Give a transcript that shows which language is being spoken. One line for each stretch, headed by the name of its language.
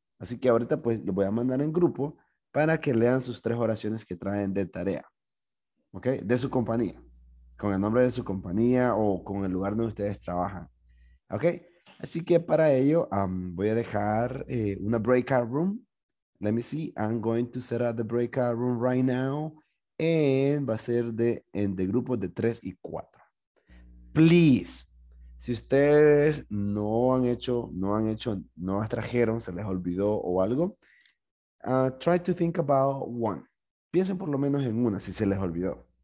Spanish: Así que ahorita pues lo voy a mandar en grupo para que lean sus tres oraciones que traen de tarea, okay, de su compañía. Con el nombre de su compañía o con el lugar donde ustedes trabajan. Ok, así que para ello voy a dejar una breakout room.
English: Let me see, I'm going to set up the breakout room right now. And
Spanish: va a ser de grupos de 3 y 4.
English: Please,
Spanish: si ustedes no han hecho, no las trajeron, se les olvidó o algo.
English: Try to think about one.
Spanish: Piensen por lo menos en una si se les olvidó.